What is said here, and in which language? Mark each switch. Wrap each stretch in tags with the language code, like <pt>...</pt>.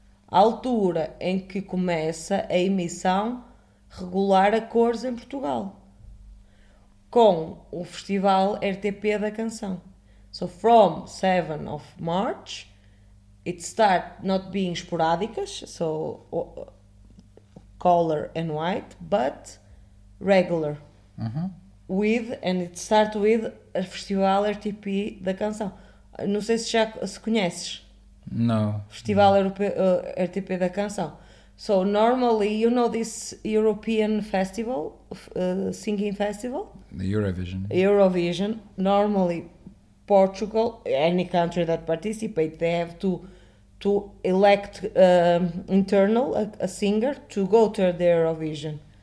<pt>A altura em que começa a emissão regular a cores em Portugal. Com o festival RTP da Canção.</pt> <en>So, from 7 of March, it start not being sporadicas, so color and white, but regular. Uh-huh. With, and it start with, a festival RTP da Canção.</en> <pt>Não sei se já se conheces. Não. Festival RTP da Canção.</pt> <en>So, normally, you know this European festival, singing festival? The Eurovision. Eurovision. Normally, Portugal, any country that participate, they have to elect internal a singer to go to the Eurovision.</en>